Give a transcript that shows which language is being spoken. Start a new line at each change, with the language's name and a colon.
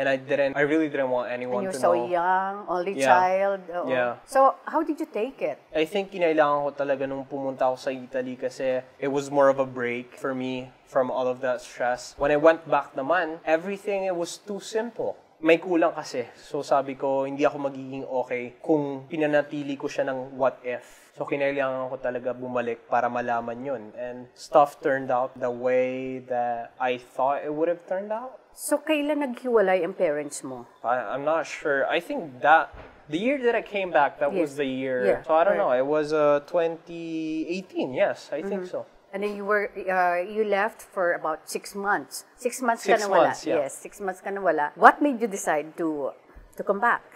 English: And I really didn't want anyone to know. And you're so young, only child. Uh-oh. Yeah. So, how did you take it? I think
Filipino: kinailangan ko talaga nung pumunta ako sa Italy kasi
English: it was more of a break for me from all of that stress. When I went back
Filipino: naman,
English: everything, it was too simple.
Filipino: May kulang kasi. So sabi ko, hindi ako magiging okay kung pinanatili ko siya ng
English: what if.
Filipino: So kinailangan ko talaga bumalik para malaman yun.
English: And stuff turned out the way that I thought it would have turned out.
Filipino: So kailan naghiwalay ang parents mo?
English: I'm not sure. I think that, the year that I came back, that was the year. Yeah, so I don't know. It was 2018, yes. I think so. And then you were you left for about 6 months.
Filipino: 6 months ka na wala.
English: Yeah. Yes,
Filipino: 6 months ka na wala.
English: What made you decide to come back?